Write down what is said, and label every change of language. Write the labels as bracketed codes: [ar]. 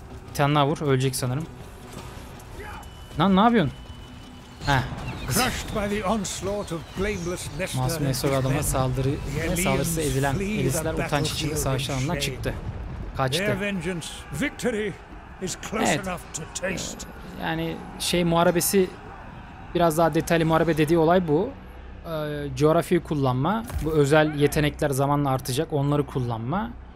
[tr] Bir tane daha vur. Ölecek sanırım. Lan ne yapıyorsun? [en] crushed by the onslaught of blameless Nestor. [tr] Masumesor adama saldırısı edilen Elisler utanç içinde savaşlarından çıktı. Kaçtı. [en] Their vengeance, victory is close enough to taste. [tr] Yani muharebesi, biraz daha detaylı muharebe dediği olay bu. Coğrafyayı kullanma, bu özel yetenekler zamanla artacak, onları kullanma.